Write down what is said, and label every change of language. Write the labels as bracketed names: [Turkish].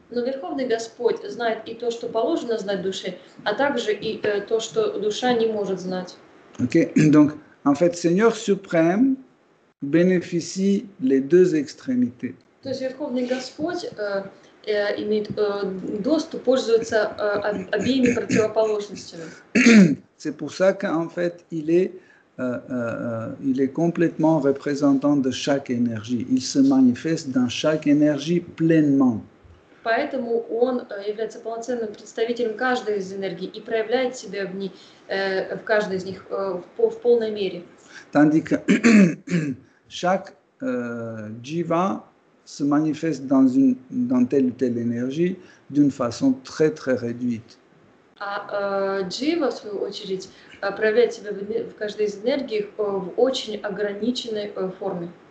[Russian] Но Верховный Господь знает и то, что положено знать душе, а также и то, что душа не может знать. OK. [French] Donc, en fait, Seigneur Suprême bénéficie les deux extrémités. [Russian] То есть Верховный Господь имеет доступ, пользуется обеими противоположностями. [French] C'est pour ça qu'en fait, il est complètement représentant de chaque énergie. Il se manifeste dans chaque énergie pleinement. [Russian] Поэтому он является полноценным представителем каждой из энергий и проявляет себя в ней, в каждой из них в полной мере. [French] Tandis que chaque jiva se manifeste dans telle ou telle énergie d'une façon très très réduite. [Russian] А джива, в свою очередь, проявляет себя в каждой из энергий в очень ограниченной форме.